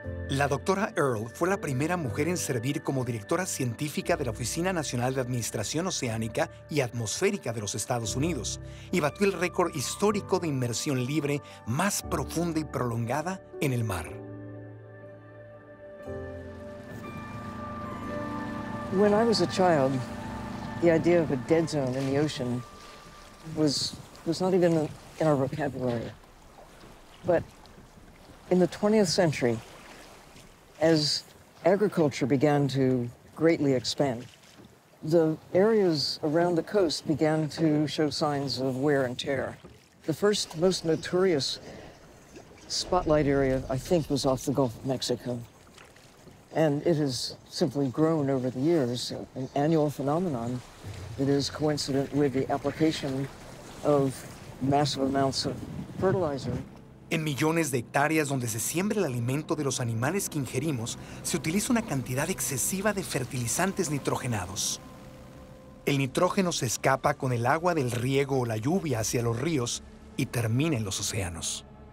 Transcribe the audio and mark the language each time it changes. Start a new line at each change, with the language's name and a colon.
Spanish: La doctora Earle fue la primera mujer en servir como directora científica de la Oficina Nacional de Administración Oceánica y Atmosférica de los Estados Unidos y batió el récord histórico de inmersión libre más profunda y prolongada en el mar.
English: When I was a child, the idea of a dead zone in the ocean was not even in our vocabulary. But in the 20th century, as agriculture began to greatly expand, the areas around the coast began to show signs of wear and tear. The first most notorious spotlight area, I think, was off the Gulf of Mexico. And it has simply grown over the years, an annual phenomenon that is coincident with the application of massive amounts of fertilizer.
Spanish: En millones de hectáreas donde se siembra el alimento de los animales que ingerimos, se utiliza una cantidad excesiva de fertilizantes nitrogenados. El nitrógeno se escapa con el agua del riego o la lluvia hacia los ríos y termina en los océanos.